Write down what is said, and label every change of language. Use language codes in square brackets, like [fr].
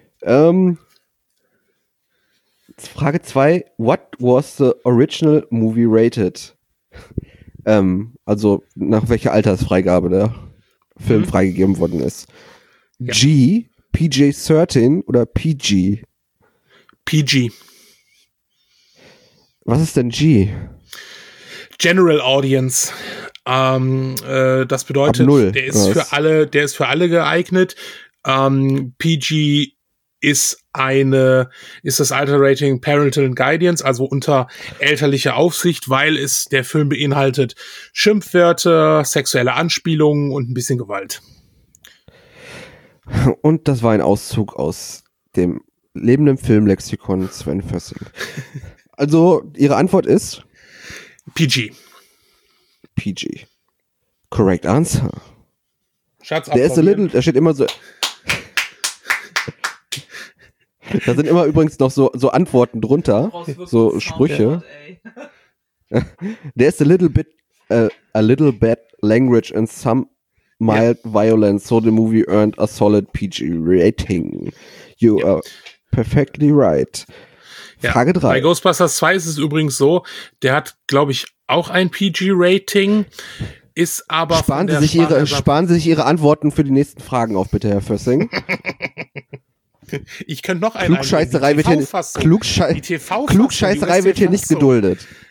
[de] Frage 2, [en] what was the original movie rated? [de] Also nach welcher Altersfreigabe der Film freigegeben worden ist. Ja. G, PG-13 oder PG? PG. Was ist denn G? [en] General Audience. [de] Das bedeutet, der ist für alle geeignet. PG ist das Alter Rating Parental Guidance, also unter elterlicher Aufsicht, weil es der Film beinhaltet Schimpfwörter, sexuelle Anspielungen und ein bisschen Gewalt. Und das war ein Auszug aus dem lebenden Filmlexikon Sven Fössing. Also, Ihre Antwort ist? PG. [en] PG. Correct answer. [de] Schatz, der ist [en] a little, [de] da steht immer so. Da sind immer übrigens noch so Antworten drunter, so Sprüche. [en] There is a little bit language and some mild violence, so the movie earned a solid PG rating. You are perfectly right. [de] Ja. Frage 3. Bei Ghostbusters 2 ist es übrigens so, der hat, glaube ich, auch ein PG Rating. Ist aber. Sparen Sie sich Ihre Antworten für die nächsten Fragen auf, bitte, Herr Fössing. Ich könnte noch eine Klugscheißerei wird hier nicht. Klugscheißerei wird hier nicht geduldet.